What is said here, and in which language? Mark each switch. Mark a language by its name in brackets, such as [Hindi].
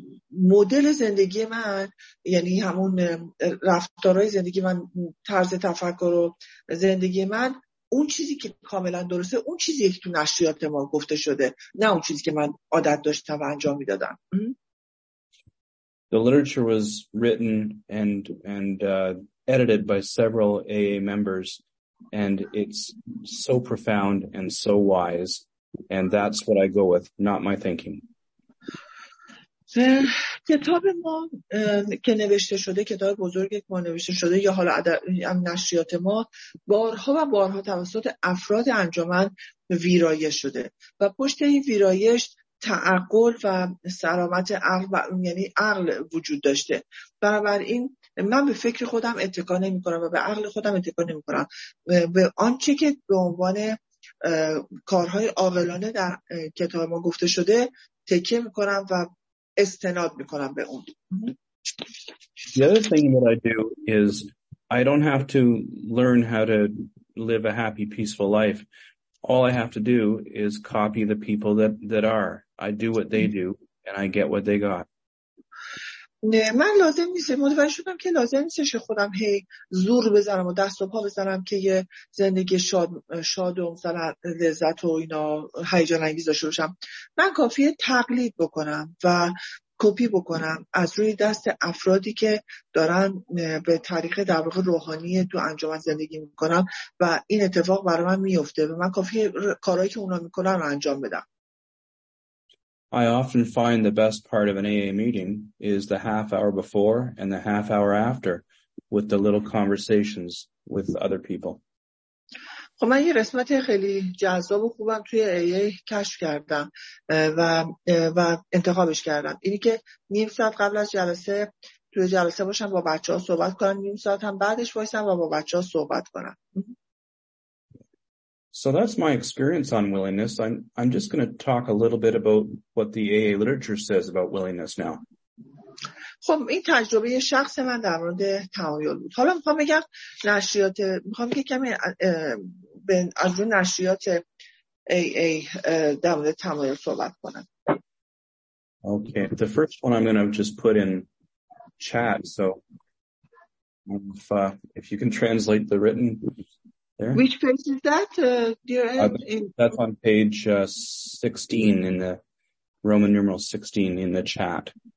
[Persian] مدل زندگی من یعنی همون رفتارهای زندگی من طرز تفکر و زندگی من اون چیزی که کاملا درسته اون چیزی که تو نشریات ما گفته شده نه اون چیزی که من عادت داشتم و انجام میدادم. [English] The literature was written and edited by several AA members and it's so profound and so wise and that's what I go with, not my thinking. [Persian] کتاب ما که نوشته شده، کتاب بزرگی که ما نوشته شده یا حالا نشریات ما بارها و بارها توسط افراد انجمن ویرایش شده و پشت این ویرایش تعقل و سلامت عقل و یعنی عقل وجود داشته. بنابراین من به فکر خودم اتکا نمی کنم و به عقل خودم اتکا نمی کنم، به آنچه که به عنوان کارهای عاقلانه در کتاب ما گفته شده تکیه می کنم و استناد میکنم به اون. [English] The other thing that I do is I don't have to learn how to live a happy, peaceful life. All I have to do is copy the people that are. I do what they do and I get what they got. [Persian] نه من لازم نیست، متوجه شدم که لازم نیستش خودم هی زور بزنم و دست و پا بزنم که یه زندگی شاد و مثلا لذت و اینا هیجان انگیز داشته باشم. من کافیه تقلید بکنم و کپی بکنم از روی دست افرادی که دارن به طریق در واقع روحانی تو انجمن زندگی میکنم و این اتفاق برای من میفته و من کافیه کارهایی که اونا میکنن رو انجام بدم. [English] I often find the best part of an AA meeting is the half hour before and the half hour after with the little conversations with other people. [Persian] خب من یه رسمت خیلی جذاب و خوبم توی AA کشف کردم و انتخابش کردم. اینی که نیم ساعت قبل از جلسه توی جلسه باشم با بچه ها صحبت کنم، نیم ساعت هم بعدش باشم و با بچه ها صحبت کنم. [English] So that's my experience on willingness. I'm just going to talk a little bit about what the AA literature says about willingness now. [Persian] خب این تجربه شخص من در مورد تمایل بود. حالا میخوام بگم نشریات، میخوام بگم کمی از اون نشریات AA در مورد تمایل صحبت کنم. [English] Okay, the first one I'm going to just put in chat, so if you can translate the written. There. Which page is that, dear? That's on page 16 in the Roman numeral 16 in the chat.